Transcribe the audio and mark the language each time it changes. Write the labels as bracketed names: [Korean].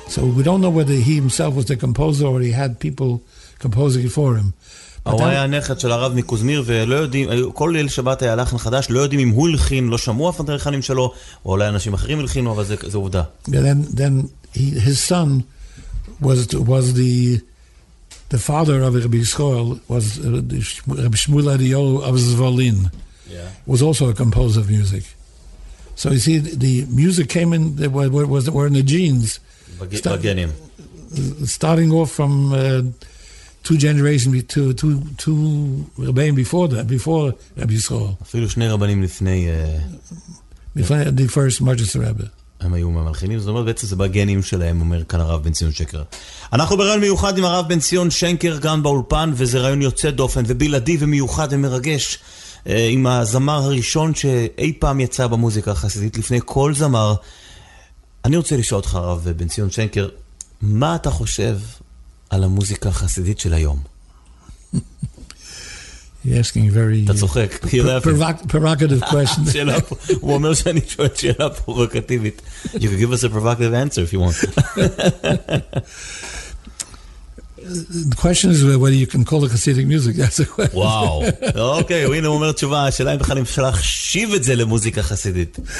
[English] So we don't know whether he himself was the composer or he had people composing for him. [Hebrew] הוא היה הנכד של הרב מקוזמיר, ולא יודעים, כל ליל שבת היה לחן חדש, לא יודעים אם הוא הלחין, לא שמעו הפנטריכנים שלו, או אולי אנשים אחרים הלחינו, אבל זה עובדה. [English] Then his son was the father of Rabbi Yisrael, was Rabbi Shmuel Adiyol of Zvolin, was also a composer of music. So you see, the music came in, were in the genes. [Hebrew] בגנים. [English] Starting off from... two generations two rabbis before Rabbi Yisrael. [Hebrew] אפילו שני רבנים לפני [English] the first Majus Rebbe. [Hebrew] הם היו מהמלחינים, זאת אומרת בעצם זה בגנים שלהם, אומר כאן הרב בן ציון שקר. אנחנו ברעיון מיוחד עם הרב בן ציון שקר גם באולפן, וזה רעיון יוצא דופן ובלעדי ומיוחד ומרגש, עם הזמר הראשון שאי פעם יצא במוזיקה החסידית לפני כל זמר. אני רוצה לשאול אותך הרב בן ציון שקר, מה אתה חושב על המוזיקה החסידית של היום? [English] You're asking very... [Hebrew] אתה צוחק. [English] Provocative question. [Hebrew] שאלה פה. הוא אומר שאני שואל שאלה פרובוקטיבית. [English] You can give us a provocative answer if you want. The question is whether you can call it Hasidic music. That's a question. [Hebrew] וואו. אוקיי, הוא הנה אומר תשובה. השאלה אם בכלל אם אפשר להחשיב את זה למוזיקה חסידית.